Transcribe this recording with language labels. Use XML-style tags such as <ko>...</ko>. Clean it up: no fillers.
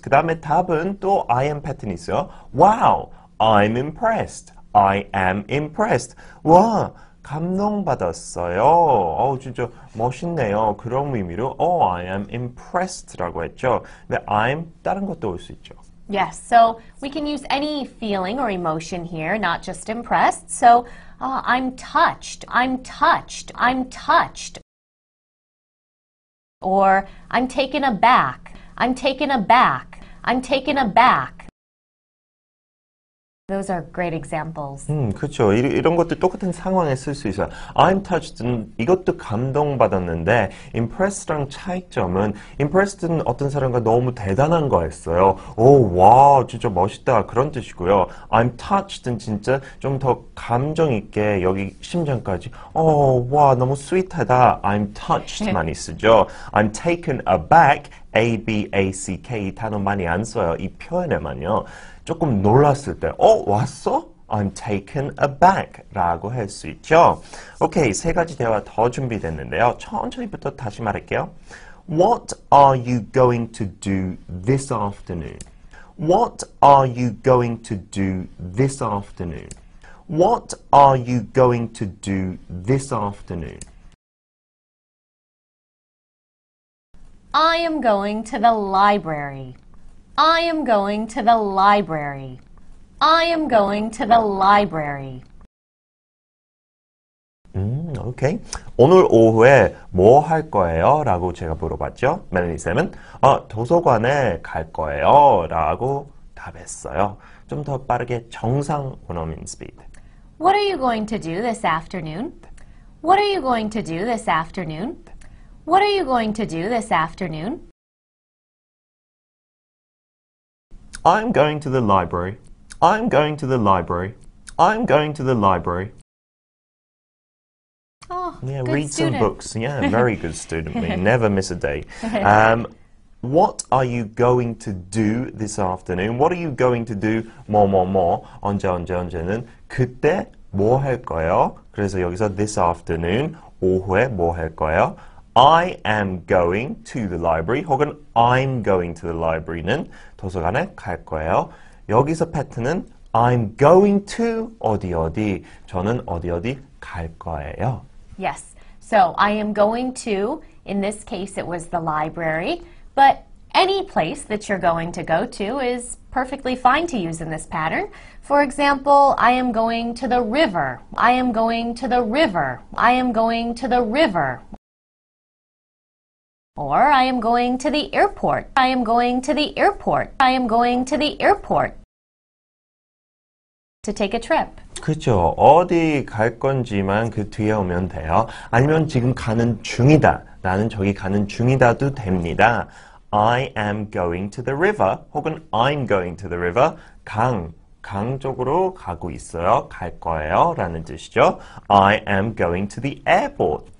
<ko>그 다음에 답은 또 I am 패턴이 있어요.</ko> <en>Wow, I'm impressed. I am impressed.</en> <ko>와, 감동받았어요. 어우, 진짜 멋있네요. 그런 의미로</ko> <en>Oh, I am impressed</en> <ko>라고 했죠. 근데 I'm 다른 것도 올 수 있죠.</ko> <en>Yes, so we can use any feeling or emotion here, not just impressed. So, I'm touched. I'm touched. I'm touched. Or, I'm taken aback. I'm taken aback. I'm taken aback. Those are great examples.</en> <ko>그렇죠. 이런 것들 똑같은 상황에 쓸 수 있어요.</ko> <en>I'm touched</en> <ko>는 이것도 감동받았는데 impressed랑 차이점은 impressed는 어떤 사람과 너무 대단한 거였어요. 오, 와, 진짜 멋있다 그런 뜻이고요.</ko> <en>I'm touched</en> <ko>는 진짜 좀 더 감정 있게 여기 심장까지 오, 와, 너무 sweet하다.</ko> <en>I'm touched</en> <ko>많이 쓰죠.</ko> <en>I'm taken aback.</en> <ko>A-B-A-C-K 이 단어 많이 안 써요. 이 표현에만요. 조금 놀랐을 때, 어? 왔어?</ko> <en>I'm taken aback</en> <ko>라고 할 수 있죠. 오케이, 세 가지 대화 더 준비됐는데요. 천천히부터 다시 말할게요.</ko> <en>What are you going to do this afternoon? What are you going to do this afternoon? What are you going to do this afternoon? I am going to the library. I am going to the library. I am going to the library. Okay.</en> <ko>오늘 오후에 뭐 할 거예요? 라고 제가 물어봤죠. 멜리 쌤은 도서관에 갈 거예요. 라고 답했어요. 좀 더 빠르게 정상 원어민 스피드.</ko> <en>What are you going to do this afternoon? What are you going to do this afternoon? What are you going to do this afternoon? I'm going to the library. I'm going to the library. I'm going to the library. Oh, yeah, good read student. Some books. Yeah, very good student. We never miss a day. What are you going to do this afternoon? What are you going to do?</en> <ko>뭐뭐뭐 언제 언제 언제는 그때 뭐 할 거예요? 그래서 여기서</ko> <en>this afternoon</en> <ko>오후에 뭐 할 거예요?</ko> <en>I am going to the library</en> <ko>혹은</ko> <en>I'm going to the library</en> <ko>는 도서관에 갈 거예요. 여기서 패턴은</ko> <en>I'm going to</en> <ko>어디 어디 저는 어디 어디 갈 거예요.</ko> <en>Yes. So I am going to, in this case it was the library, but any place that you're going to go to is perfectly fine to use in this pattern. For example, I am going to the river. I am going to the river. I am going to the river. Or, I am going to the airport. I am going to the airport. I am going to the airport to take a trip.</en> <ko>그쵸. 어디 갈 건지만 그 뒤에 오면 돼요. 아니면 지금 가는 중이다. 나는 저기 가는 중이다도 됩니다.</ko> <en>I am going to the river.</en> <ko>혹은</ko> <en>I'm going to the river.</en> <ko>강, 강 쪽으로 가고 있어요. 갈 거예요. 라는 뜻이죠.</ko> <en>I am going to the airport.</en>